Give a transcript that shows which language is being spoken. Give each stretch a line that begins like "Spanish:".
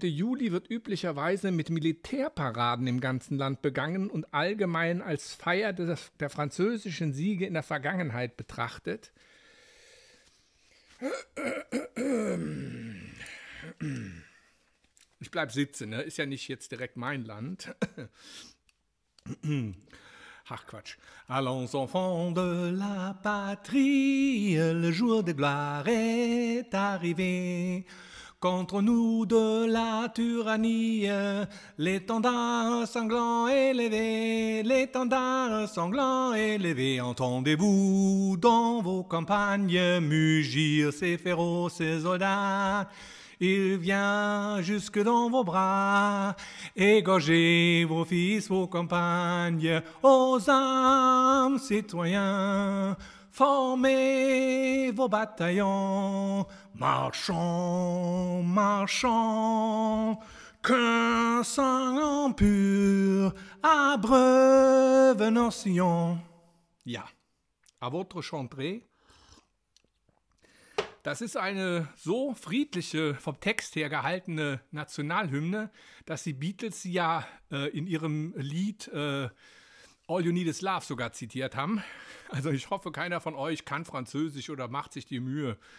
German: Juli wird üblicherweise mit Militärparaden im ganzen Land begangen und allgemein als Feier der französischen Siege in der Vergangenheit betrachtet. Ich bleib sitzen, ne? Ist ja nicht jetzt direkt mein Land. Ach Quatsch.
French: Allons enfants de la patrie, le jour de gloire est arrivé. Contre nous de la tyrannie, l'étendard sanglant est levé, l'étendard sanglant est levé. Entendez-vous dans vos campagnes mugir ces féroces soldats? Il vient jusque dans vos bras, égorger vos fils, vos compagnes, aux armes, citoyens, formez vos bataillons, marchons, marchons, qu'un sang impur abreuve nos sillons. Ja, à votre chanterie.
German: Das ist eine so friedliche, vom Text her gehaltene Nationalhymne, dass die Beatles sie ja in ihrem Lied All You Need Is Love sogar zitiert haben. Also ich hoffe, keiner von euch kann Französisch oder macht sich die Mühe.